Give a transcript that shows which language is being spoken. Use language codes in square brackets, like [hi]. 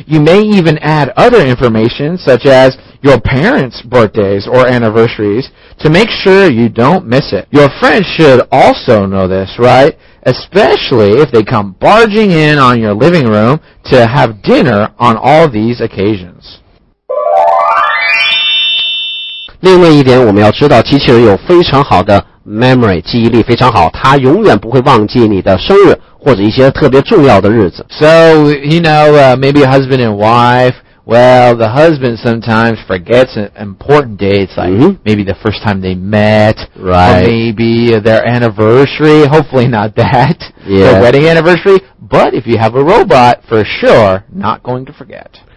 [en] You may even add other information such as your parents' birthdays or anniversaries to make sure you don't miss it. Your friends should also know this, right? Especially if they come barging in on your living room to have dinner on all these occasions. [zh] 另外一点，我们要知道机器人有非常好的memory 记忆力非常好，他永远不会忘记你的生日或者一些特别重要的日子。 [en] So, you know, maybe a husband and wife, well, the husband sometimes forgets an important dates, like maybe the first time they met, right. Or maybe their anniversary, hopefully not that, their wedding anniversary, but if you have a robot, for sure, not going to forget.